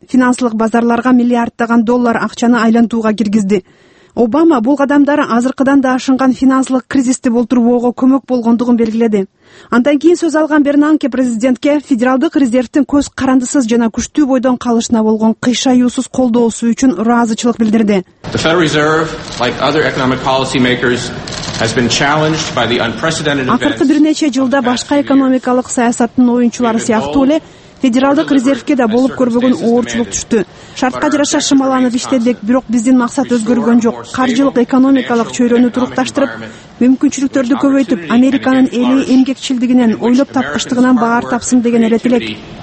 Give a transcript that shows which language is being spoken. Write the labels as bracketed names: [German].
[Kyrgyz] Финансылык базарларга миллиарддаган доллар акчаны айлантууга киргизди. Обама бул кадамдар азыркыдан да ашынган финансылык кризисти болтурбоого көмөк болгондугун белгиледи. Андан кийин сөз алган Бернанке президентке федералдык резервдин көз карандысыз жана күчтүү бойдон калышына болгон кыйшаюусуз колдоосу үчүн ыраазычылык билдирди. [English] The Federal Reserve, like other economic policy makers, has been challenged by the unprecedented events. [Kyrgyz] Акыркы бир нече жылда башка экономикалык саясаттын оюнчулары сыяктуу эле федералдык резервке да болуп көрбөгөн оорчулук түштү. Шартка жараша шымаланып иштедик, бирок биздин максат өзгөргөн жок. Каржылык экономикалык чөйрөнү турукташтырып, мүмкүнчүлүктөрдү көбөйтүп, Американын эли эмгекчилдигинен, ойлоп тапкыштыгынан баар тапсын деген эле тилек.